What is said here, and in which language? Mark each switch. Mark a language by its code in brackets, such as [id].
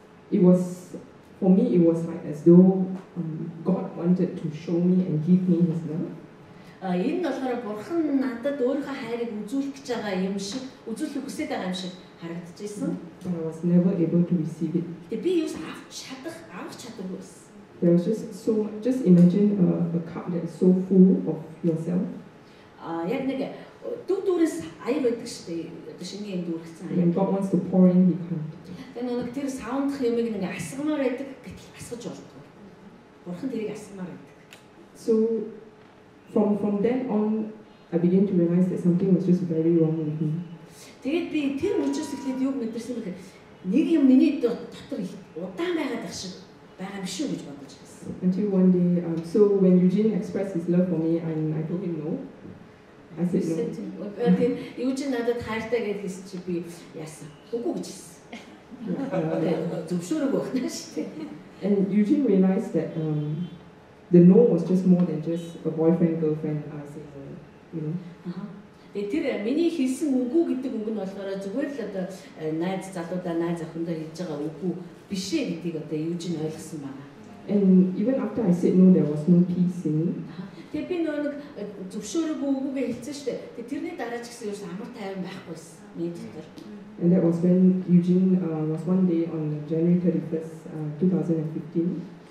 [en] It was for me it was like as though God wanted to show me and give me his love. [mn] Энэ нь болохоор бурхан надад өөрийнхөө хайрыг үзүүлэх гэж байгаа юм шиг үзүүлэх хүсэж байгаа юм шиг харагдаж байсан. [en] I was never able to receive it. [mn] Тэгээ би юус авах чадахгүй байсан. [en] There was just so much. Just imagine a cup that is so full of yourself. [mn] Яг нэг дүүрээс аяг байдаг шүү дээ. Одоо шинэ юм дүүргэсэн аяг. [en] God wants to pour in, he can't. [mn] Тэгээ нэг тэр савандах юм нэг асгамаар байдаг гэтэл асгаж болдог. Бурхан тэрийг асгамаар байдаг. [en] So from then on, I began to realize that something was just very wrong with me. [mn] Тэгээд би тэр мөчөөс эхлээд юу мэдэрсэн юм бэ? Нэг юм миний дотор удаан байгаад байгаа шүү. [en] Until one day, so when Eugene expressed his love for me, and I told him no, I said no. [mn] Eugene, надад хайртай гэж хэлсэн чи би яасан? Үгүй гэж хэлсэн. Зөвшөөрөхгүй байна шүү дээ. [en] And Eugene realized that the no was just more than just a boyfriend girlfriend saying no. [mn] Тэр миний хэлсэн үгүй гэдэг үг нь болохоор зүгээр л одоо найз залуудаа найз охиндоо хэлж байгаа үгүй биш ээ гэдгийг одоо Eugene ойлгосон байна. [en] And even after I said no, there was no peace in me. [mn] Тэр би нэг зөвшөөрөхгүй үгүй хэлсэн шүү дээ. Тэрний дараа ч гэсэн юу амар тайван байхгүйсэн миний дотор. [en] And that was when Eugene was one day on January 31st, 2015.